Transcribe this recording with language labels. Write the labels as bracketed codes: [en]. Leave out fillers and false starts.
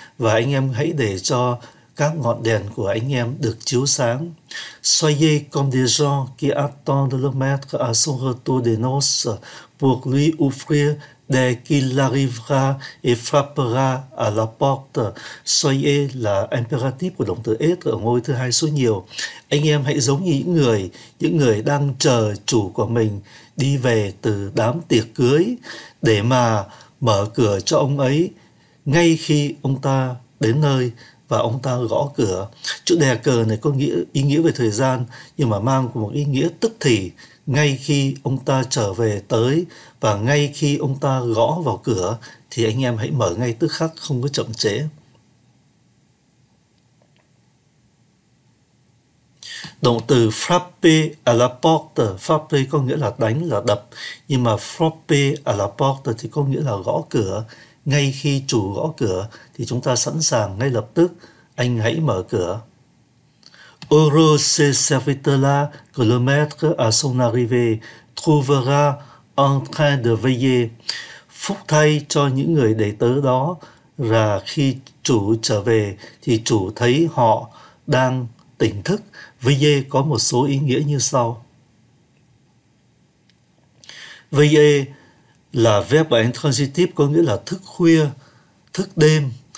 [vi] Và anh em hãy để cho các ngọn đèn của anh em được chiếu sáng. [fr] Soyez comme des gens qui attendent le maître à son retour des noces pour lui offrir dès qu'il arrivera et frappera à la porte. [vi] Soyez là impératif của động từ être ở ngôi thứ hai số nhiều. Anh em hãy giống như những người đang chờ chủ của mình đi về từ đám tiệc cưới để mà mở cửa cho ông ấy ngay khi ông ta đến nơi và ông ta gõ cửa. Chữ đè cờ này có nghĩa ý nghĩa về thời gian, nhưng mà mang một ý nghĩa tức thì, ngay khi ông ta trở về tới và ngay khi ông ta gõ vào cửa, thì anh em hãy mở ngay tức khắc, không có chậm trễ. Động từ [fr] frappe à la porte, [vi] frappe có nghĩa là đánh, là đập, nhưng mà frappe à la porte thì có nghĩa là gõ cửa. Ngay khi chủ gõ cửa thì chúng ta sẵn sàng ngay lập tức, anh hãy mở cửa. [fr] Heureux ces serviteurs-là que le maître à son arrivée trouvera en train de veiller. [vi] Phúc thay cho những người đầy tớ đó là khi chủ trở về thì chủ thấy họ đang tỉnh thức. Veiller có một số ý nghĩa như sau. Veiller là verb intransitif có nghĩa là thức khuya, thức đêm.